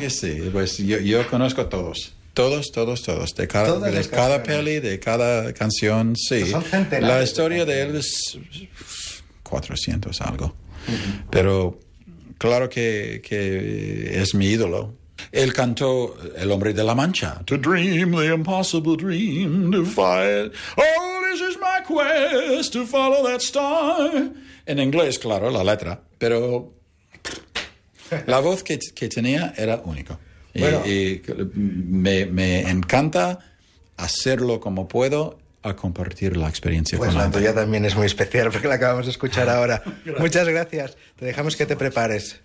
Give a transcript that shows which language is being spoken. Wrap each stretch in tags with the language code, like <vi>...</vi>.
<es>Que sí, pues yo conozco todos. Todos. De cada peli, de cada canción, sí. Son centenares. La historia de Elvis, 400 algo. Pero claro que es mi ídolo. Él cantó El Hombre de la Mancha.</es> <en>To dream the impossible dream, to fight. Oh, this is my quest, to follow that star.</en> <es>En inglés, claro, la letra. Pero la voz que tenía era única. Bueno. Y me encanta hacerlo como puedo, a compartir la experiencia pues con la tuya también es muy especial porque la acabamos de escuchar ahora. Gracias. Muchas gracias. Te dejamos que te prepares.</es>